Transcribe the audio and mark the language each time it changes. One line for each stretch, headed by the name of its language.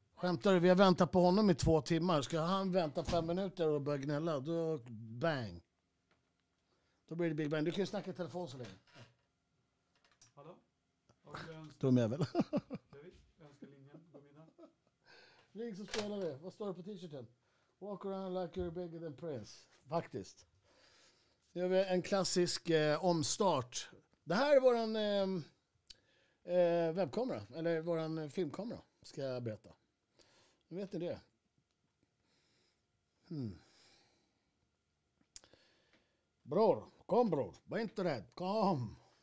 Swedish: Skämtar du? Vi har väntat på honom i 2 timmar. Ska han vänta 5 minuter och börja gnälla, då bang. Då blir det big bang. Du kan ju snacka i telefon så länge. Hallå? Du är med väl? Önskar linjen. Ring så spelar vi. Vad står det på t-shirten?
English: Walk around like you're bigger than Prince.
Swedish: Faktiskt. Nu har vi en klassisk omstart. Det här är våran webbkamera. Eller våran filmkamera. Ska jag berätta. Nu vet ni det. Bror. Kom bror, var inte rädd. Kom.